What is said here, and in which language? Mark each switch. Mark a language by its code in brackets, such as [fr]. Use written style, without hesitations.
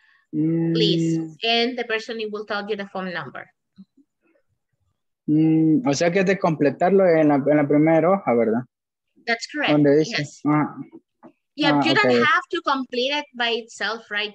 [en] Please, and the person will tell you the phone number. [es] O sea que es de completarlo en la primera hoja, ¿verdad? [en] That's correct. Yes. Yeah, you don't have to complete it by itself, right?